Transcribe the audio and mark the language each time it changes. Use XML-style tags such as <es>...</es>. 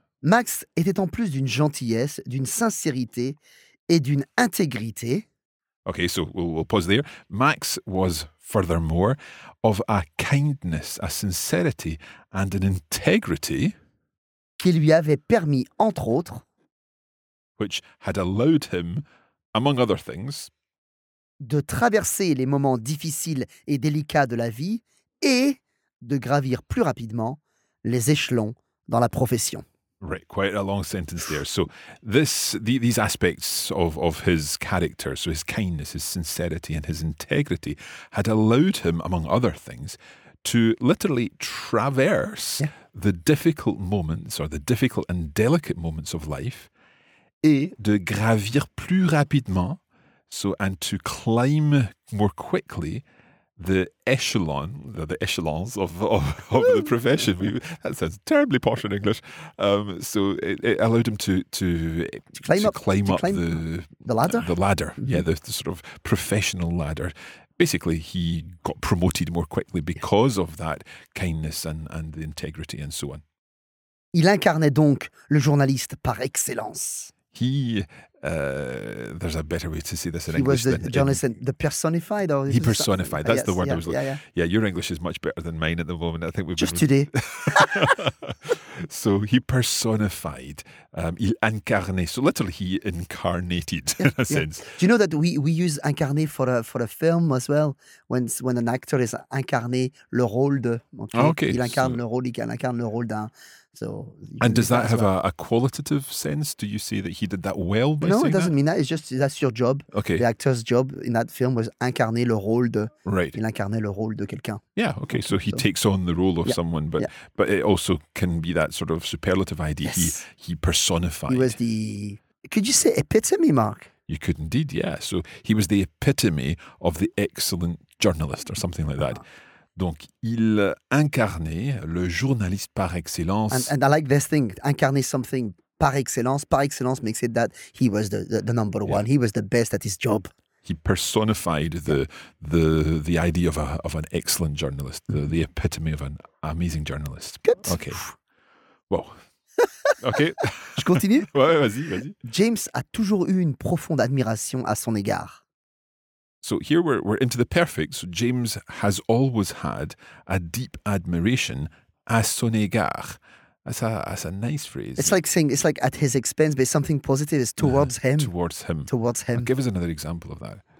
<fr>Max était en plus d'une gentillesse, d'une sincérité et d'une intégrité.</fr> <en>Okay, so we'll pause there. Max was furthermore of a kindness, a sincerity and an integrity</en> <fr>qui lui avait permis, entre autres,</fr> <en>which had allowed him, among other things,</en> <fr>de traverser les moments difficiles et délicats de la vie et de gravir plus rapidement les échelons dans la profession.</fr> <en>Right, quite a long sentence there. So these aspects of his character, so his kindness, his sincerity and his integrity had allowed him, among other things, to literally traverse the difficult moments or the difficult and delicate moments of life</en> <fr>et de gravir plus rapidement,</fr> <en>so and to climb more quickly the echelon, the echelons of the profession. That sounds terribly posh in English. So it allowed him to climb up the ladder. Mm-hmm. Yeah, the sort of professional ladder. Basically, he got promoted more quickly because of that kindness and the integrity and so on.</en> <fr>Il incarnait donc le journaliste par excellence.</fr> <en>He, there's a better way to say this in he English. He was the journalist, the personified. Or he personified, that's the word yeah, I was looking for. Yeah, your English is much better than mine at the moment. I think we've just been today. So he personified,</en> <fr>il incarné.</fr> <en>So literally he incarnated in a sense. Do you know that we use incarné for a film as well? When an actor is</en> <fr>incarné le rôle de...</fr> <en>Okay.</en> <fr>Il incarne le rôle, il incarne le rôle d'un...</fr> <en>So and does that have a qualitative sense? Do you say that he did that well? No, it doesn't mean that. It's just that's your job. Okay. The actor's job in that film was</en> <fr>incarner le rôle de.</fr> <en>Right.</en> <fr>Il incarnait le rôle de quelqu'un.</fr> <en>Yeah. Okay. So he takes on the role of someone, but it also can be that sort of superlative idea. Yes. He personified. He was the. Could you say epitome, Mark? You could indeed. Yeah. So he was the epitome of the excellent journalist, or something like that.</en> <fr>Donc, il incarnait le journaliste par excellence.</fr> <en>And I like this thing, incarner something par excellence. Par excellence makes it that he was the number one. He was the best at his job. He personified the idea of an excellent journalist, the epitome of an amazing journalist. Good. Okay. Well. Okay.</en> <fr>Je continue? Ouais, vas-y. James a toujours eu une profonde admiration à son égard.</fr> <en>So here we're into the perfect. So James has always had a deep admiration</en> <fr>à son égard.</fr> <en>That's a nice phrase. It's like saying, it's like at his expense, but something positive is towards him. Towards him. Towards him. Give us another example of that.</en>